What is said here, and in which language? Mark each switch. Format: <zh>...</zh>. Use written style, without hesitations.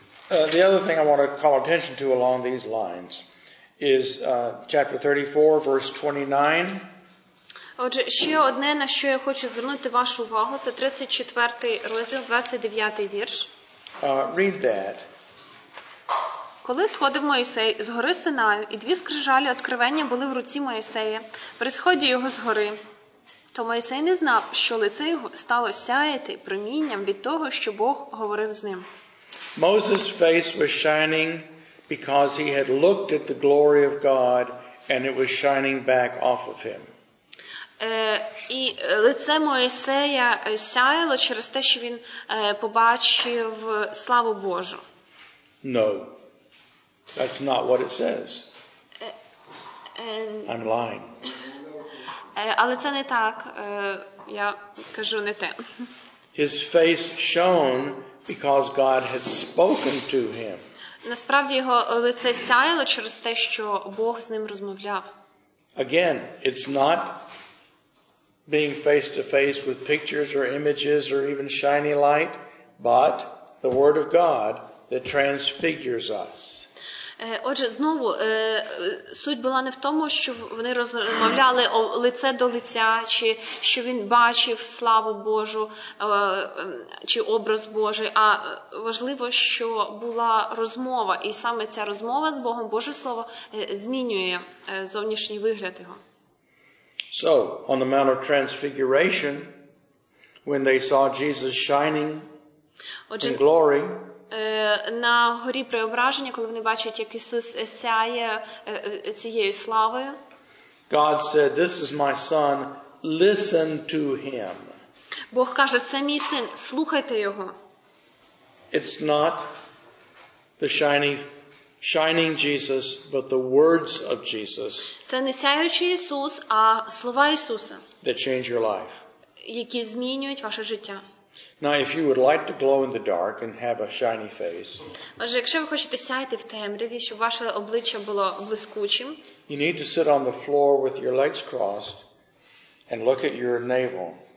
<en>The other thing I want to call attention to along these lines is chapter 34, verse 29.</en> <uk>Отже, ще одне, на що я хочу звернути вашу увагу, це 34 розділ, 29 вірш.</uk> <en>Read that.</en> <uk>Коли сходив Мойсей з гори Синаю, і дві скрижалі откровення були в руці Мойсея, при сході його з гори, то Мойсей не знав, що лице його стало сяяти промінням від того, що Бог говорив з ним.</uk> <en>Moses' face was shining because he had looked at the glory of God and it was shining back off of him.</en> <uk>І лице Мойсея сяяло через те, що він побачив славу Божу.</uk> <en>No. That's not what it says. I'm lying.</en> <uk>Але це не так. Я кажу не те.</uk> <en>His face shone because God had spoken to him.</en> <uk>Насправді його лице сяяло через те, що Бог з ним розмовляв.</uk> <en>Again, it's not being face to face with pictures or images or even shiny light, but the word of God that transfigures us.</en> <uk>Отже, знову, суть була не в тому, що вони розмовляли лице до лиця, чи що він бачив славу Божу, чи образ Божий, а важливо, що була розмова, і саме ця розмова з Богом, Боже слово, змінює зовнішній вигляд його.</uk> <en>So, on the Mount of Transfiguration, when they saw Jesus shining in glory,</en> <uk>на горі Преображення, коли вони бачать, як Ісус сяє цією славою.</uk> <en>God said, "This is my son, listen to him."</en> <uk>Бог каже: "Це мій син, слухайте його."</uk> <en>It's not the shining Jesus, but the words of Jesus.</en> <uk>Це не сяючий Ісус, а слова Ісуса.</uk> <en>That change your life.</en> <uk>Які змінюють ваше життя.</uk> <en>Now, if you would like to glow in the dark and have a shiny face,</en> <uk>отже, якщо ви хочете сяяти в темряві, щоб ваше обличчя було блискучим,</uk> <en>you need to sit on the floor with your legs crossed and look at your navel.</en>